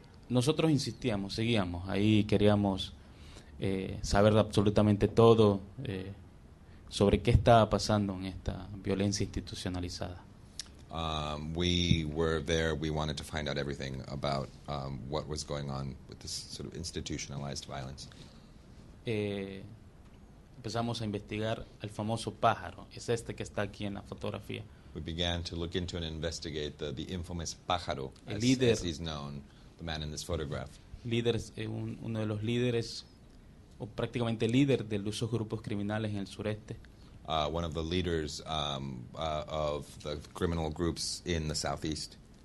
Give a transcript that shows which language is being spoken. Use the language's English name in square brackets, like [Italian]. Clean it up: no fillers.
[Spanish] Nosotros insistíamos, seguíamos ahí, queríamos saber absolutamente todo sobre qué estaba pasando en esta violencia institucionalizada. [English] We were there. We wanted to find out everything about what was going on with this sort of institutionalized violence. [Spanish] Empezamos a investigar al famoso pájaro. Es este que está aquí en la fotografía. [English] We began to look into and investigate the infamous pájaro, [Spanish] el líder, [English] as he's known, the man in this photograph. [Spanish] Líder, uno de los líderes, o prácticamente líder de los grupos criminales en el sureste. [English] One of the leaders of the criminal groups in the southeast.